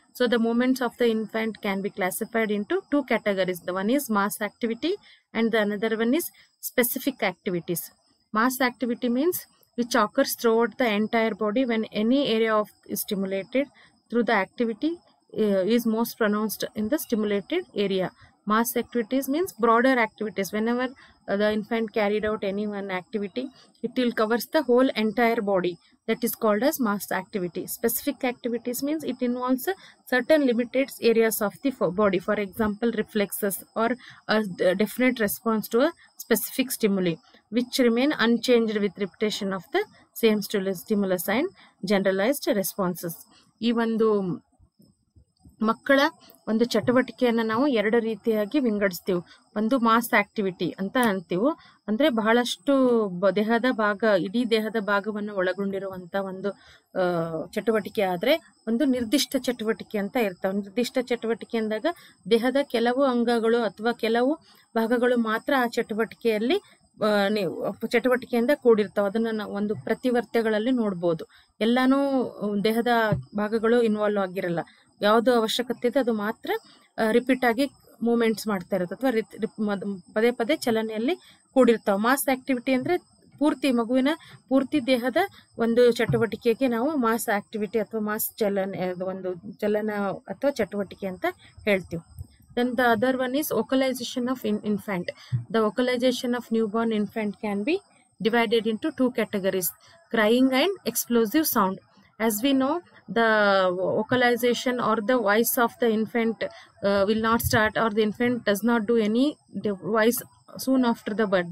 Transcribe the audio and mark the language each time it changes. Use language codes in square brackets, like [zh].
[en] So the movements of the infant can be classified into 2 categories. The one is mass activity and the another one is specific activities. Mass activity means which occurs throughout the entire body when any area of stimulated through the activity is most pronounced in the stimulated area. Mass activities means broader activities. Whenever the infant carried out any one activity, it will covers the whole entire body. That is called as mass activity. Specific activities means it involves certain limited areas of the body. For example, reflexes or a definite response to a specific stimuli, which remain unchanged with repetition of the same stimulus and generalized responses. Even though [kn] ಮಕ್ಕಳ ಒಂದು ಚಟುವಟಿಕೆಯನ್ನು ನಾವು ಎರಡು ರೀತಿಯಾಗಿ ವಿಂಗಡಿಸ್ತೀವಿ. ಒಂದು mass activity ಅಂತ ಅಂತೀವಿ, ಅಂದರೆ ಬಹಳಷ್ಟು ದೇಹದ ಭಾಗ, ಇಡೀ ದೇಹದ ಭಾಗವನ್ನು ಒಳಗೊಂಡಿರುವಂಥ ಒಂದು ಚಟುವಟಿಕೆ ಆದರೆ ಒಂದು ನಿರ್ದಿಷ್ಟ ಚಟುವಟಿಕೆ ಅಂತ ಇರ್ತವೆ. ನಿರ್ದಿಷ್ಟ ಚಟುವಟಿಕೆ ಅಂದಾಗ ದೇಹದ ಕೆಲವು ಅಂಗಗಳು ಅಥವಾ ಕೆಲವು ಭಾಗಗಳು ಮಾತ್ರ ಆ ಚಟುವಟಿಕೆಯಲ್ಲಿ ಚಟುವಟಿಕೆಯಿಂದ ಕೂಡಿರ್ತಾವೆ. ಅದನ್ನು ಒಂದು ಪ್ರತಿವರ್ತ್ಯಗಳಲ್ಲಿ ನೋಡ್ಬೋದು. ಎಲ್ಲಾನೂ ದೇಹದ ಭಾಗಗಳು ಇನ್ವಾಲ್ವ್ ಆಗಿರಲ್ಲ, ಯಾವುದು ಅವಶ್ಯಕತೆ ಇದೆ ಅದು ಮಾತ್ರ ರಿಪೀಟ್ ಆಗಿ ಮೂಮೆಂಟ್ಸ್ ಮಾಡ್ತಾ ಇರುತ್ತೆ ಅಥವಾ ಪದೇ ಪದೇ ಚಲನೆಯಲ್ಲಿ ಕೂಡಿರ್ತಾವೆ. ಮಾಸ್ ಆಕ್ಟಿವಿಟಿ ಅಂದರೆ ಪೂರ್ತಿ ಮಗುವಿನ ಪೂರ್ತಿ ದೇಹದ ಒಂದು ಚಟುವಟಿಕೆಗೆ ನಾವು ಮಾಸ್ ಆಕ್ಟಿವಿಟಿ ಅಥವಾ ಮಾಸ್ ಚಲನೆ ಒಂದು ಚಲನ ಅಥವಾ ಚಟುವಟಿಕೆ ಅಂತ ಹೇಳ್ತೀವಿ. [en] Then the other one is vocalization of infant. The vocalization of newborn infant can be divided into two categories, crying and explosive sound. As we know, the vocalization or the voice of the infant will not start, or the infant does not do any voice soon after the birth.